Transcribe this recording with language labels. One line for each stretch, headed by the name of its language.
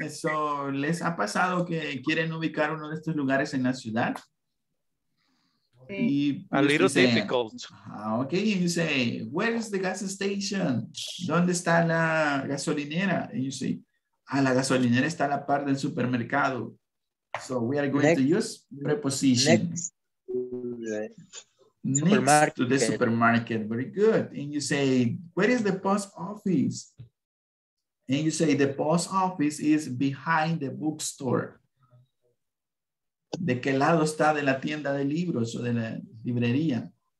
Spanish: So, ¿les ha pasado que quieren ubicar uno de estos lugares en la ciudad?
English: A little say, difficult. Okay, you say, where is the gas station?
Spanish: ¿Dónde está la gasolinera?
English: And you say,
Spanish: ah, la gasolinera está a la par del supermercado.
English: So, we are going to use preposition. Next to the supermarket. Very good. And you say, where is the post office? And you say, the post office is behind the bookstore.
Spanish: ¿De qué lado está de la tienda de libros o de la librería?